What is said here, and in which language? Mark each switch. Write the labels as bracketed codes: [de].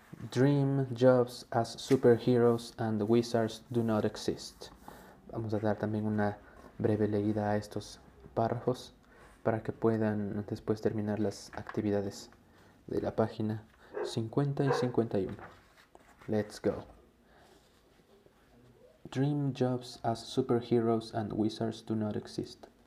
[en] Dream jobs as superheroes and wizards do not exist. [es] Vamos a dar también una breve leída a estos párrafos para que puedan después terminar las actividades de la página 50 y 51. [en] Let's go. Dream jobs as superheroes and wizards do not exist.